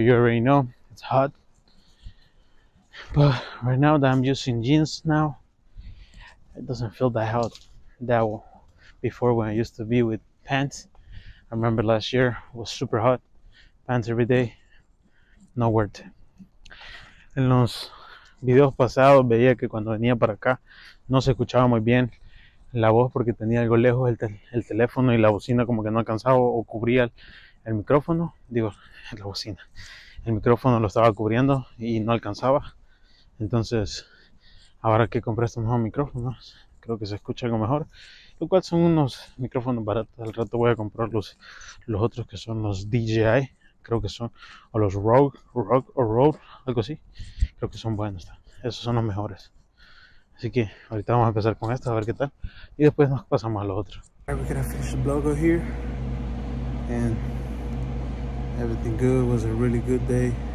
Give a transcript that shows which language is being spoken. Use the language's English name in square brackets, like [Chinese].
[English] You already know it's hot. But right now that I'm using jeans now, it doesn't feel that hot. That before when I used to be with pants, I remember last year it was super hot. Pants every day, no word. [Spanish] En los videos pasados veía que cuando venía para acá no se escuchaba muy bien la voz porque tenía algo lejos el teléfono y la bocina como que no alcanzaba o cubría el micrófono, digo, la bocina. El micrófono lo estaba cubriendo y no alcanzaba. Entonces, ahora que compré estos nuevos micrófonos, creo que se escucha algo mejor. Lo cual son unos micrófonos baratos. Al rato voy a comprar los otros que son los DJI. Creo que son, o los Rogue o Rode, algo así. Creo que son buenos, esos son los mejores. Así que ahorita vamos a empezar con esto, a ver qué tal. Y después nos pasamos a los otros. [English] We could have finished the blog over here. And everything good, it was a really good day.